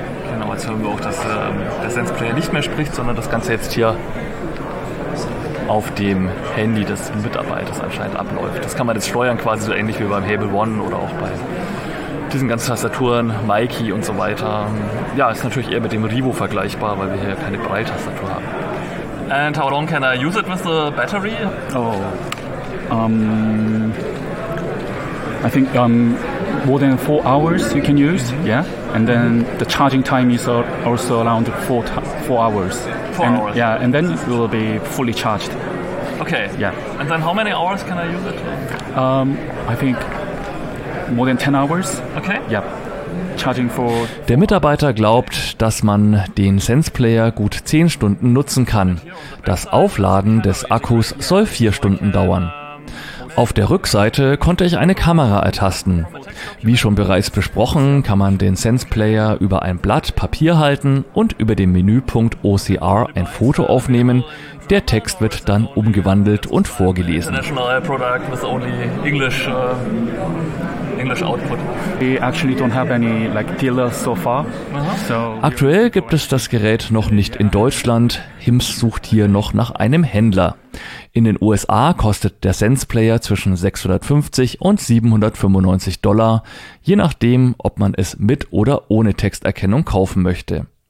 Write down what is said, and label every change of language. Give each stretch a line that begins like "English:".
German: Genau, jetzt hören wir auch, dass der Sense Player nicht mehr spricht, sondern das Ganze jetzt hier auf dem Handy des Mitarbeiters anscheinend abläuft. Das kann man jetzt steuern, quasi so ähnlich wie beim Hable One oder auch bei diesen ganzen Tastaturen, Mikey und so weiter. Ja, ist natürlich eher mit dem Revo vergleichbar, weil wir hier keine Braille-Tastatur haben.
English: And how long can I use it with the battery? I think more than 4 hours you can use, yeah? And then the charging time is also around four hours. Four hours. Yeah, and then it will be fully charged. Okay. Yeah. And then how many hours can I use it? I think more than 10 hours. Okay. Yeah. Charging for.
German: Der Mitarbeiter glaubt, dass man den SensePlayer gut 10 Stunden nutzen kann. Das Aufladen des Akkus soll 4 Stunden dauern. Auf der Rückseite konnte ich eine Kamera ertasten. Wie schon bereits besprochen, kann man den SensePlayer über ein Blatt Papier halten und über den Menüpunkt OCR ein Foto aufnehmen. Der Text wird dann umgewandelt und vorgelesen.
English: International product with only English, English output. We actually don't have any like dealers so far. Uh-huh. So
German: aktuell gibt es das Gerät noch nicht in Deutschland. Hims sucht hier noch nach einem Händler. In den USA kostet der SensePlayer zwischen $650 and $795, je nachdem, ob man es mit oder ohne Texterkennung kaufen möchte.